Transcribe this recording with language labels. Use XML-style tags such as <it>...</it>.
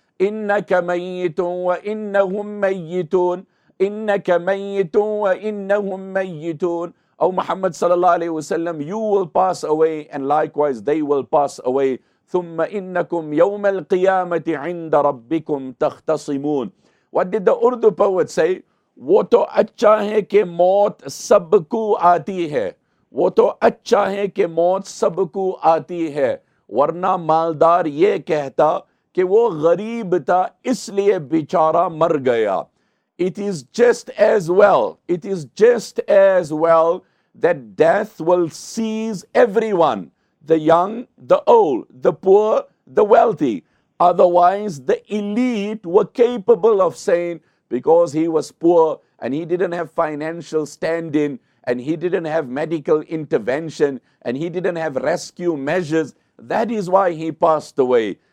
<ar>إِنَّكَ مَيِّتٌ وَإِنَّهُمْ مَيِّتُونَ إِنَّكَ مَيِّتٌ وَإِنَّهُمْ مَيِّتُونَ.</ar> <en>Oh Muhammad sallallahu alayhi wa sallam, you will pass away and likewise they will pass away.</en> <ar>ثُمَّ إِنَّكُمْ يَوْمَ الْقِيَامَةِ عِنْدَ رَبِّكُمْ تَخْتَصِمُونَ.</ar> <en>What did the Urdu poet say?</en> <ur>وہ تو اچھا ہے کہ موت سب کو آتی ہے. وہ تو اچھا ہے کہ موت سب کو آتی ہے. ورنہ مالدار یہ کہتا کہ وہ غریب تھا اس لیے بیچارہ مر گیا.</ur> <en>It is just as well. It is just as well that death will seize everyone. The young, the old, the poor, the wealthy. Otherwise, the elite were capable of saying, because he was poor and he didn't have financial standing and he didn't have medical intervention and he didn't have rescue measures, that is why he passed away.</en>